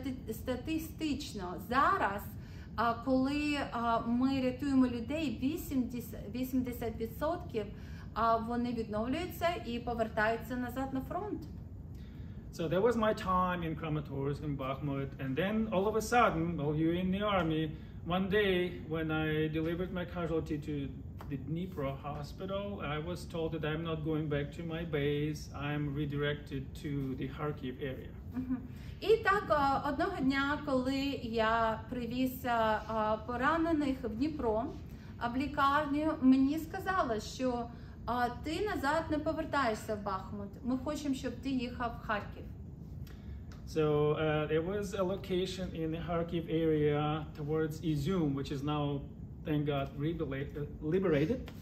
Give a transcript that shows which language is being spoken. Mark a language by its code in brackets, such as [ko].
[uk] Статистично зараз, коли ми рятуємо людей, 80% вони відновлюються і повертаються назад на фронт. [en] So that was my time in Kramatorsk and Bahmut, and then all of a sudden, while you're in the army, one day when I delivered my casualty to the Dnipro hospital, I was told that I'm not going back to my base, I'm redirected to the Kharkiv area. [uk] І так одного дня, коли я привіз поранених в Дніпро в лікарню, мені сказали, що ти назад не повертаєшся в Бахмут. Ми хочемо, щоб ти їхав в Харків. [en] So there was a location in the Kharkiv area towards Izum, which is now, thank God, liberated.